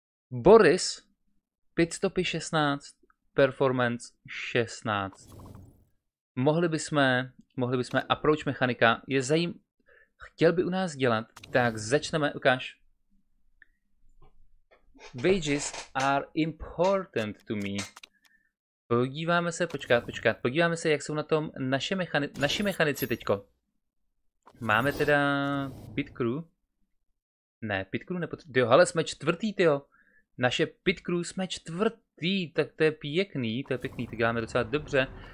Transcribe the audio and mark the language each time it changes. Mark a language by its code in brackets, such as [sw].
[cs] Boris, pitstopy 16, performance 16. Mohli bychom, approach mechanika je chtěl by u nás dělat, tak začneme, ukáž. [en] Wages are important to me. [cs] Podíváme se, počkat, podíváme se, jak jsou na tom naši mechanici teďko. Máme teda pit crew. Ne, pit crew nepotřebuje, jo, ale jsme čtvrtý, tyjo. Naše pit crew jsme čtvrtý, tak to je pěkný, tak děláme docela dobře.